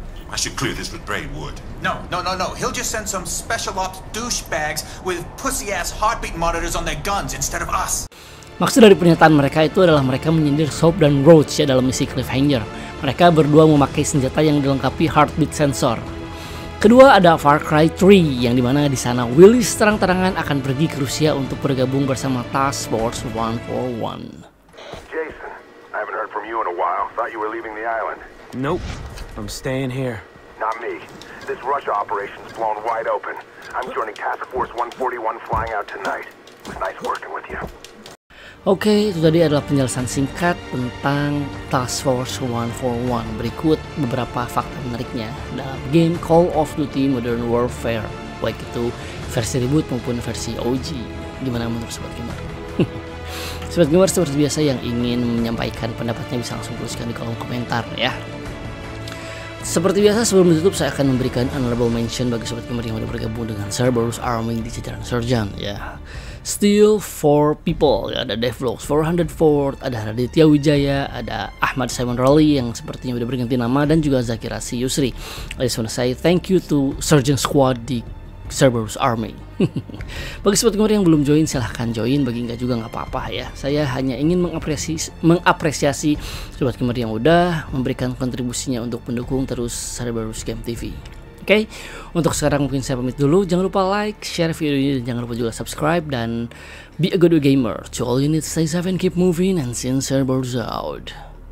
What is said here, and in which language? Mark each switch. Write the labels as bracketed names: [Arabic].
[English] I should clear this with Braidwood. No. He'll just send some special ops douchebags with pussy-ass heartbeat monitors on their guns instead of us. [Indonesian] Maksud dari pernyataan mereka itu adalah mereka menyindir Soap dan Roach, ya, dalam misi Cliffhanger. Mereka berdua memakai senjata yang dilengkapi heartbeat sensor. Kedua, ada Far Cry 3, yang dimana di sana Willis terang-terangan akan pergi ke Rusia untuk bergabung bersama Task Force 141. [English] Jason, I haven't heard from you in a while. Thought you were leaving the island. Nope, I'm staying here. Not me. This Russia operation's blown wide open. I'm joining Task Force 141 flying out tonight. It was nice working with you. [Indonesian] Oke, itu tadi adalah penjelasan singkat tentang Task Force 141. Berikut beberapa fakta menariknya dalam game Call of Duty Modern Warfare, baik itu versi reboot maupun versi OG. Gimana menurut Sobat Gamer? Sobat Gamer, seperti biasa yang ingin menyampaikan pendapatnya bisa langsung tuliskan di kolom komentar ya. Seperti biasa, sebelum ditutup saya akan memberikan honorable mention bagi Sobat Gamer yang sudah bergabung dengan Cerberus Army di jajaran Sergeant ya. [English] Still four people, [Indonesian] ya, ada Devlogs 404, ada Raditya Wijaya, ada Ahmad Simon Rally yang sepertinya sudah berganti nama, dan juga Zakira C. Yusri. [English] I just want to say thank you to Sergeant Squad [Indonesian] di Cerberus Army. Bagi Sobat Gamer yang belum join, silahkan join. Bagi enggak juga enggak apa-apa ya. Saya hanya ingin mengapresiasi Sobat Gamer yang udah memberikan kontribusinya untuk mendukung terus Cerberus Game TV. Oke, untuk sekarang mungkin saya pamit dulu. Jangan lupa like, share video ini, dan jangan lupa juga subscribe. [English] Dan be a good gamer. To all you need, stay safe and keep moving. And see you in Cerberus out.